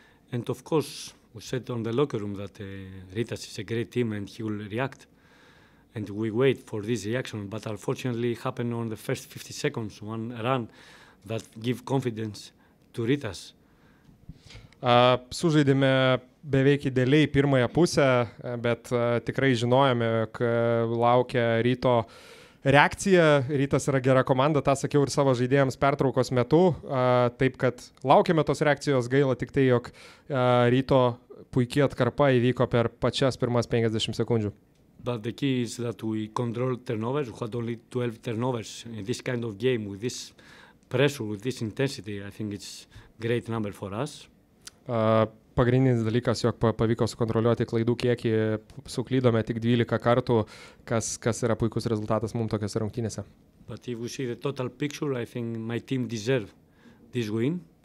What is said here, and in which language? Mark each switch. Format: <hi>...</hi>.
<en>And of course, we said on the locker room that Ritas is a great team and he will react. And we wait for this reaction, but unfortunately it happened on the first 50 seconds, one run that give confidence to Ritas.</en> <lt>Sužaidėme beveik idealiai pirmąją pusę, bet tikrai žinojome, kad laukia ryto reakcija. Rytas yra gera komanda, tą sakiau ir savo žaidėjams pertraukos metu, taip kad laukiame tos reakcijos, gaila tik tai, jog ryto puikiai atkarpa įvyko per pačias pirmas 50 sekundžių.</lt> <en>But the key is that we control turnovers, we had only 12 turnovers in this kind of game with this pressure with this intensity, I think it's great number for us.</en> <lt>Pagrindinis dalykas, jog pavyko sukontroliuoti klaidų kiekį, suklydome tik 12 kartų, kas yra puikus rezultatas mums tokiose rungtynėse.</lt> <en>But if we see the total picture, I think my team deserve this win.</en>